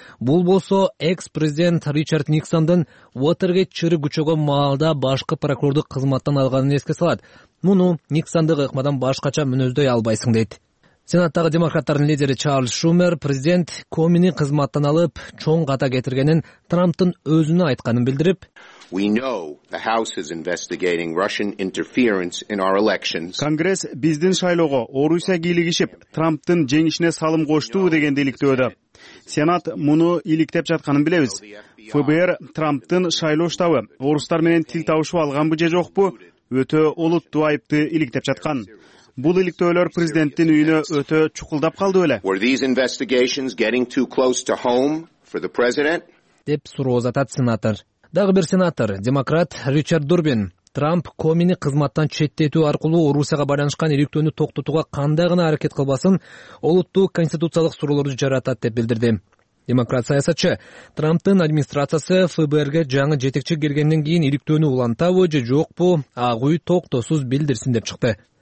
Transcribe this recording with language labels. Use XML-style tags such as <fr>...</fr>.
<ky>Бул болсо экс-президент Ричард Никсондун Уотергейт чыры күчөгөн маалда башкы прокурордук кызматтан алганын эске салат. Муну Никсондук ыкмадан башкача мүнөздөй албайсың дейт. Сенаттагы демократтардын лидери Чарльз Шумер президент Комини кызматтан алып чоң ката кетиргенин Трамптын өзүнө айтканын билдирип,</ky> <en>We know the House is investigating Russian interference in our elections.</en> <ky>Конгресс биздин шайлоого Орусия кийлигишип, Трамптын жеңишине салым коштуу дегенди иликтөөдө. Сенат муну иликтеп жатканын билебиз. ФБР Трамптын шайлоо штабы орустар менен тил табышып алганбы же жокпу, өтө олуттуу айыпты иликтеп жаткан. Бул иликтөөлөр президенттин үйүнө өтө чукулдап калды беле?</ky> <en>Were these investigations getting too close to home for the president?</en> <ky>Деп суроо задат сенатор. Дагы бир сенатор, демократ Ричард Дурбин, Трамп Комини кызматтан четтетүү аркылуу Орусияга байланышкан иликтөөнү токтотууга кандай гана аракет кылбасын, олуттуу конституциялык суроолорду жаратат деп билдирди. Демократ саясатчы, Трамптын администрациясы ФБРге жаңы жетекчи келгенден кийин иликтөөнү улантабы же жокпу, Ак Үй токтосуз билдирсин деп чыкты.</ky>